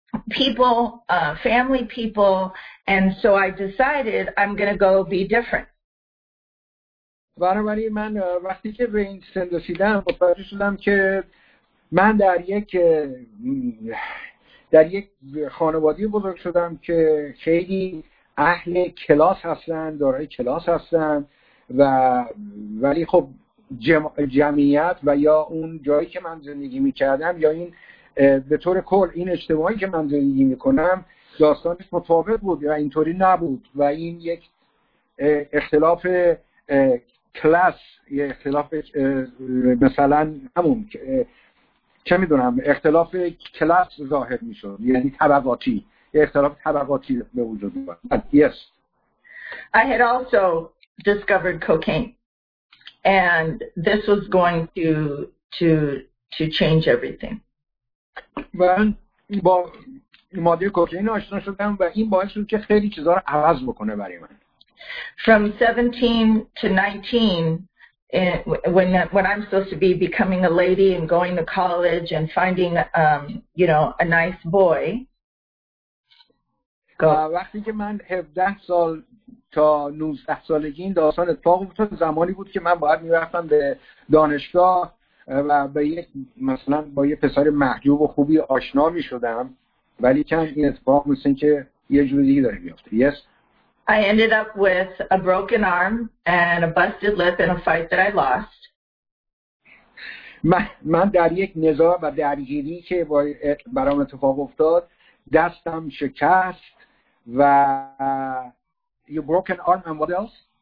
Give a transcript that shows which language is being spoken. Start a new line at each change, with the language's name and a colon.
English: people, family people, and so I decided I'm going to go be different.
Persian: برای من وقتی که به این سن رسیدم متوجه شدم که من در یک خانواده بزرگ شدم که خیلی اهل کلاس هستن، دارای کلاس هستن، و ولی خب جمعیت و یا اون جایی که من زندگی می‌کردم یا این به طور کل این اجتماعی که من زندگی می‌کنم داستانش متفاوت بود و اینطوری نبود و این یک اختلاف کلاس، یه اختلاف مثلا همون چه میدونم اختلاف کلاس ظاهر میشد، یعنی طبقاتی، یه اختلاف طبقاتی به وجود بود.
English: Yes. I had also discovered cocaine and this was going to change everything.
Persian: من با ماده کوکین آشنا شدم و این باعث شد که خیلی چیزها رو عوض بکنه برای من.
English: From 17 to 19, when I'm supposed to be becoming a lady and going to college and finding, you know, a nice boy.
Persian: وقتی که من 17 سال تا 19 سالگی این داستان اتفاق افتاد، زمانی بود که من باید می‌رفتم به دانشگاه و به یک مثلا با یه پسر محجوب و خوبی آشنا می‌شدم، ولی کم این اتفاق مثل که یه جور دیگه داره می‌افته.
English: Yes. I ended up with a broken arm and a busted lip in a fight that I lost.
Persian: من در یک نزاع و درگیری که برام اتفاق افتاد دستم شکست و
English: you broken arm and what else?